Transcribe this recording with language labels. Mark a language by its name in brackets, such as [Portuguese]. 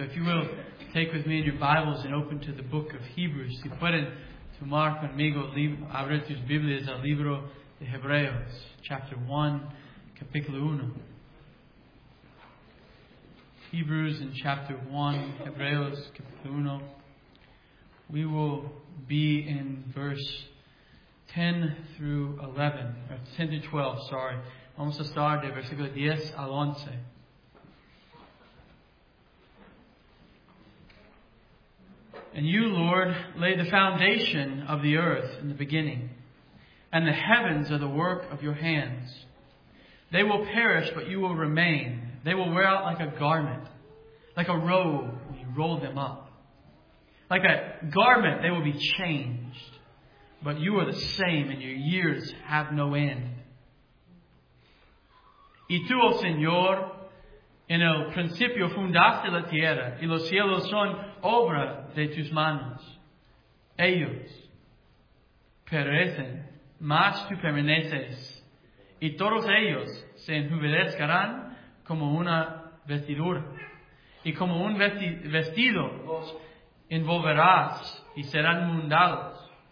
[English] If you will, take with me in your Bibles and open to the book of Hebrews. [Spanish] Si pueden tomar conmigo, abre tus Biblias al libro de Hebreos, [English] chapter 1, [Spanish] capítulo 1. [English] Hebrews in chapter 1, [Spanish] Hebreos, capítulo 1. [English] We will be in verse 10 through 11, or 10 to 12, sorry. [Spanish] Vamos a estar de versículo 10 al 11. [English] And you, Lord, laid the foundation of the earth in the beginning, and the heavens are the work of your hands. They will perish, but you will remain. They will wear out like a garment, like a robe when you roll them up. Like a garment, they will be changed, but you are the same, and your years have no end. [Spanish] Y tú, oh Señor, en el principio fundaste la tierra, y los cielos son obra de tus manos. Ellos perecen, mas tú permaneces, y todos ellos se enjuvenezcarán como una vestidura, y como un vestido los envolverás y serán mundados.